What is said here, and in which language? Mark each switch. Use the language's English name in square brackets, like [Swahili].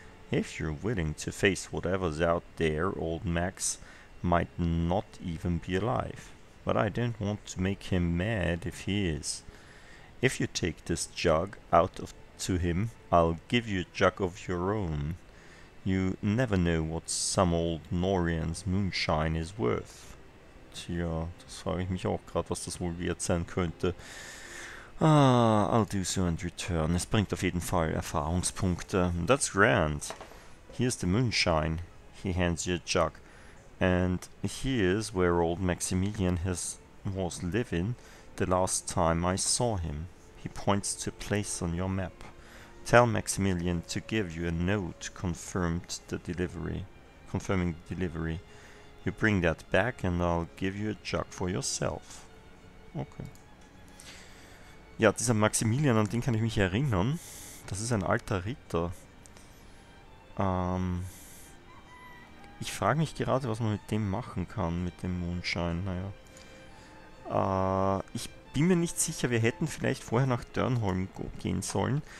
[English] If you're willing to face whatever's out there, old Max might not even be alive, but I don't want to make him mad if he is. If you take this jug out of to him, I'll give you a jug of your own. You never know what some old Norian's moonshine is worth. [German] Tja, das frage ich mich auch gerade, was das wohl wert sein könnte. [English] Ah, I'll do so and return. [German] Es bringt auf jeden Fall Erfahrungspunkte. [English] That's grand. Here's the moonshine. He hands you a jug. And here's where old Maximilian was living the last time I saw him. He points to a place on your map. Tell Maximilian to give you a note confirming the delivery. You bring that back and I'll give you a jug for yourself. Okay. [German] Ja, dieser Maximilian, an den kann ich mich erinnern. Das ist ein alter Ritter. Ich frage mich gerade, was man mit dem machen kann, mit dem Mondschein. Naja. Bin mir nicht sicher, wir hätten vielleicht vorher nach Dörnholm gehen sollen.